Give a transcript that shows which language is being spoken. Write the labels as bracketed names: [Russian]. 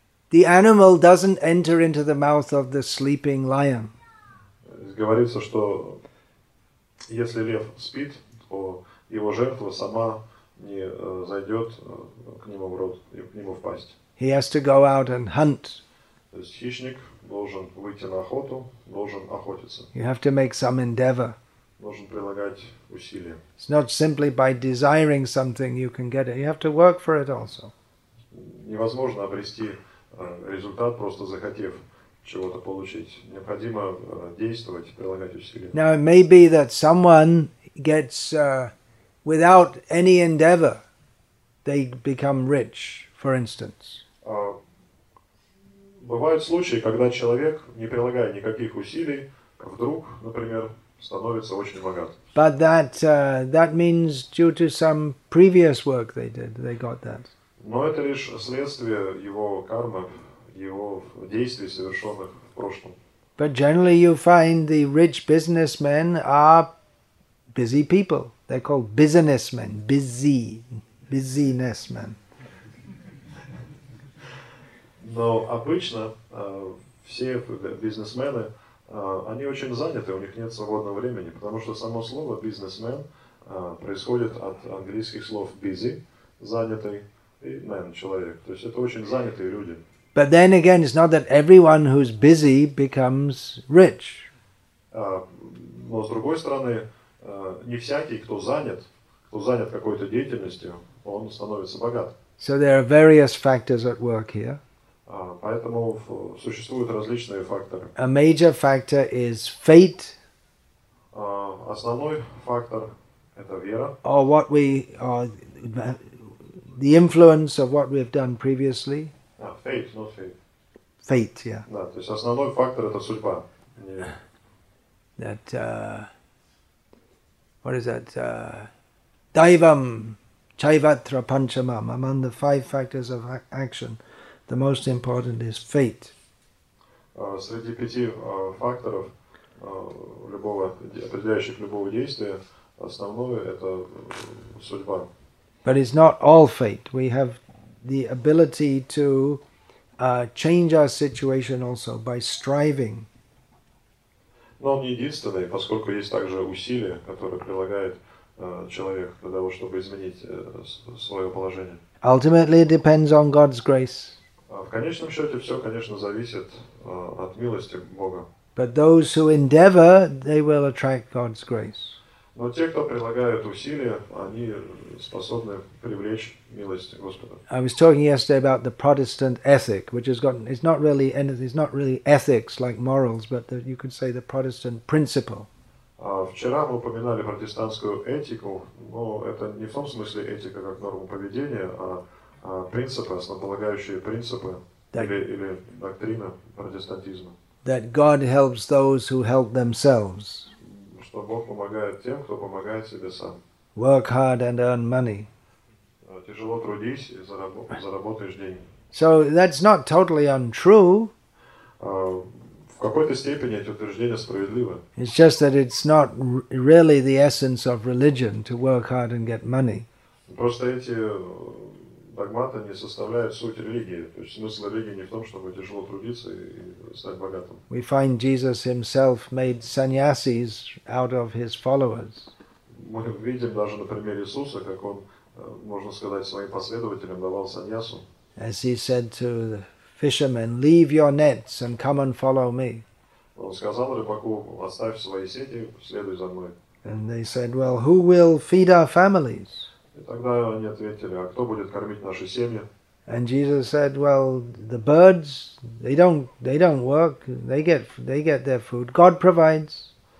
[English] The animal doesn't enter into the mouth of the sleeping lion. [Russian] Говорится, что если лев спит, то его жертва сама не зайдет к нему в рот, к нему в пасть. [English] He has to go out and hunt. [Russian] То есть хищник должен выйти на охоту, должен охотиться. [English] You have to make some endeavor. [Russian] Должен прилагать усилия. [English] It's not simply by desiring something you can get it. You have to work for it also. [Russian] Невозможно обрести результат, просто захотев чего-то получить. Необходимо действовать, прилагать усилия. [English] Now it may be that someone gets, without any endeavor, they become rich, for instance. [Russian] Бывают случаи, когда человек, не прилагая никаких усилий, вдруг, например, становится очень богат. [English] But that means due to some previous work they did, they got that. [Russian] Но это лишь следствие его кармы, его действий, совершенных в прошлом. [English] But generally you find the rich businessmen are busy people. They're called businessmen, businessmen. [Russian] Но обычно все бизнесмены, они очень заняты, у них нет свободного времени, потому что само слово «бизнесмен» происходит от английских слов «busy» – «занятый» и «man» – «человек». То есть это очень занятые люди. [English] But then again, it's not that everyone who's busy becomes rich. [Russian] Но с другой стороны, не всякий, кто занят какой-то деятельностью, он становится богат. [English] So there are various factors at work here. [Russian] Поэтому существуют различные факторы. [English] A major factor is fate. [Russian] Основной фактор – это вера. [English] Or what we, or the influence of what we've done previously. Fate, not fate. Fate, yeah. [Russian] Да, то есть основной фактор – это судьба. [English] That, what is that? [Sanskrit] Daivam, chaivatra panchamam, [English] among the five factors of action. The most important is fate. [Russian] Среди пяти факторов любого определяющих любого действия основное это судьба. [English] But it's not all fate. We have the ability to change our situation also by striving. [Russian] Но он не единственный, поскольку есть также усилия, которые прилагает человек для того, чтобы изменить свое положение. [English] Ultimately, it depends on God's grace. [Russian] В конечном счете все, конечно, зависит от милости Бога. [English] But those who endeavor, they will attract God's grace. [Russian] Но те, кто прилагают усилия, они способны привлечь милость Господа. [English] I was talking yesterday about the Protestant ethic, which has gotten, it's not really anything, it's not really ethics like morals, but the, you could say the Protestant principle. [Russian] Вчера мы упоминали протестантскую этику, но это не в том смысле этика как норму поведения, а принципы, основополагающие принципы или доктрина протестантизма. [English] That God helps those who help themselves. [Russian] Что Бог помогает тем, кто помогает себе сам. [English] Work hard and earn money. [Russian] Тяжело трудись и заработаешь деньги. [English] So that's not totally untrue. [Russian] В какой-то степени эти утверждения справедливы. [English] It's just that it's not really the essence of religion to work hard and get money. [Russian] Просто эти догматы не составляют суть религии. То есть смысл религии не в том, чтобы тяжело трудиться и стать богатым. [English] We find Jesus himself made sannyasis out of his followers. [Russian] Мы видим даже на примере Иисуса, как он, можно сказать, своим последователям давал саньясу. [English] As he said to the fishermen, leave your nets and come and follow me. [Russian] Он сказал рыбаку, оставь свои сети, следуй за мной. [English] And they said, well, who will feed our families? [Russian] И тогда они ответили, а кто будет кормить наши семьи? [English] And Jesus said, well, the birds, they don't work, they get their food. God provides.